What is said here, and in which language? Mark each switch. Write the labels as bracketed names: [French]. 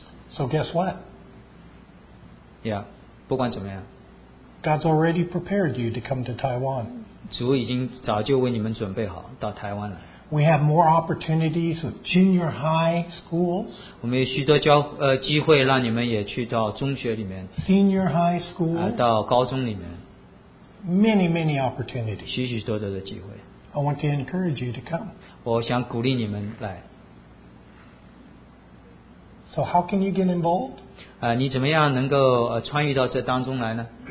[English] So guess what? [Chinese] Yeah, 不管怎么样。 [English] God's already prepared you to come to Taiwan. [Chinese] 主已经早就为你们准备好到台湾来。 [English] We have more opportunities with junior high schools. [Chinese] 我们有许多机会让你们也去到中学里面。 [English] Senior high school. [Chinese] 到高中里面。 [English] Many, many opportunities. [Chinese] 许许多多的机会。 [English] I want to encourage you to come. [Chinese] 我想鼓励你们来。 [English] So how can you get involved? [Chinese] 你怎么样能够参与到这当中来呢